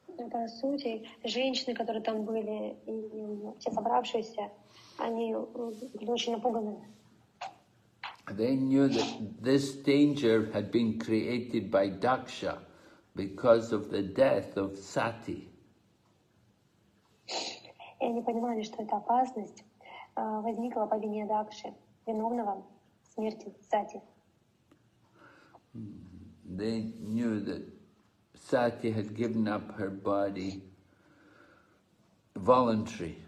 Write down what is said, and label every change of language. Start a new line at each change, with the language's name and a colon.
Russian: По сути, женщины, которые там были, и все собравшиеся, они были очень напуганы.
English: They knew that this danger had been created by Daksha because of the death of Sati.
Russian: И они понимали, что эта опасность возникла по вине Дакши, виновного в смерти Сати.
English: They knew that Sati had given up her body voluntarily.